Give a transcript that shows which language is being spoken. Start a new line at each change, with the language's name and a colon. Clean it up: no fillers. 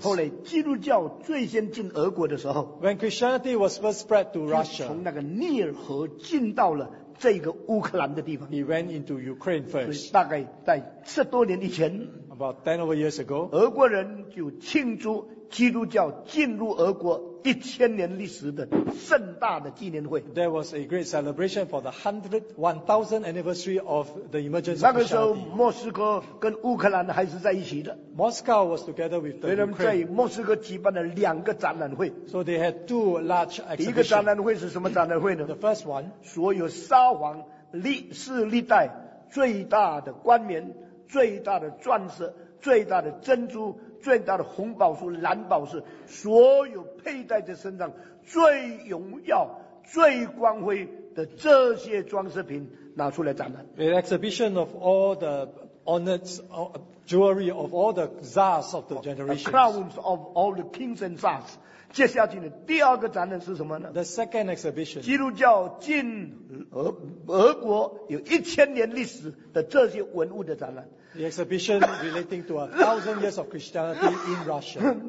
Chinese: 后来基督教最先进俄国的时候。
English: When Christianity was first spread to Russia.
Chinese: 从那个涅尔河进到了这个乌克兰的地方。
English: He went into Ukraine first.
Chinese: 大概在十多年以前。
English: About 10 over years ago,
Chinese: 俄国人就庆祝基督教进入俄国1000年历史的盛大的纪念会。
English: There was a great celebration for the 1000th anniversary of the emergence of
Chinese: Christianity. 那个时候，莫斯科跟乌克兰还是在一起的。
English: Moscow was together with the Ukraine.
Chinese: 所以他们在莫斯科举办了两个展览会。
English: So they had two large exhibitions.
Chinese: 一个展览会是什么展览会呢
English: ？The first one,
Chinese: 所有沙皇历世历代最大的冠冕。最大的钻石，最大的珍珠，最大的红宝石、蓝宝石，所有佩戴在身上最荣耀、最光辉的这些装饰品拿出来展览。
English: The exhibition of all the honors, jewelry of all the czars of the generations. The crowns of all the kings and czars.
Chinese: 接下去的第二个展览是什么呢
English: ？The second exhibition.
Chinese: 基督教进俄国有1000年历史的这些文物的展览。
English: The exhibition relating to 1000 years of Christianity in Russia.